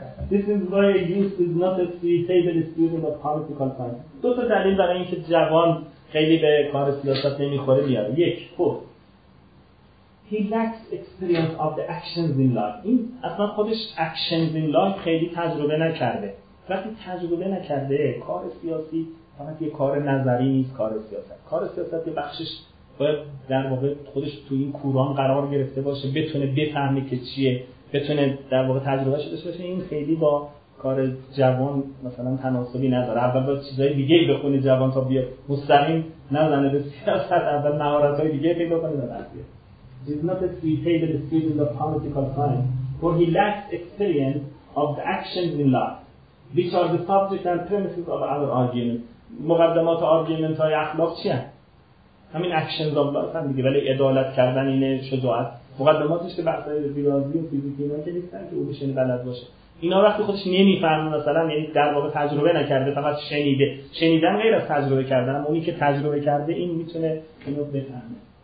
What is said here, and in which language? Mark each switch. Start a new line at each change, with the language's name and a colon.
English: This is why a youth is not a suitable student of political science.
Persian: دو تا دلیل برای اینکه جوان خیلی به کار سیاست نمیخوره میاره. یک، خب
English: He lacks experience of the actions in life.
Persian: این اصلا خودش
English: actions in life
Persian: خیلی تجربه نکرده. وقتی تجربه نکرده کار سیاسی فقط یه کار نظری نیست. کار سیاست یه بخشش باید در واقع خودش تو این کوران قرار گرفته باشه، بتونه بفهمه که چیه، بتونه در واقع تجربه شده باشه. این خیلی با کار جوان مثلا تناسبی نداره، اول باید چیزهای دیگه بخونه جوان تا بیاد مستقیم نزنه به سیاست، اول مهارت‌های دیگه پیدا کنه. در اصل
English: He's not a suitable student of political science, for he lacks experience of the actions in life, which are the subject and premises of other arguments.
Persian: مقدمات آرگومنت های اخلاق چیه؟ همین
English: actions of life
Persian: هم دیگه، ولی عدالت کردن اینه، شجاعت مقدماتش که بحثای ریاضی و فیزیکی اینا که نیستن که او بشنه بلد باشه. اینا وقتی خودش نمیفهمه مثلا، یعنی در واقع تجربه نکرده، فقط شنیده، شنیدن غیر از تجربه کردن، اما اونی که تجربه کرده این میتونه اینو بفهمه.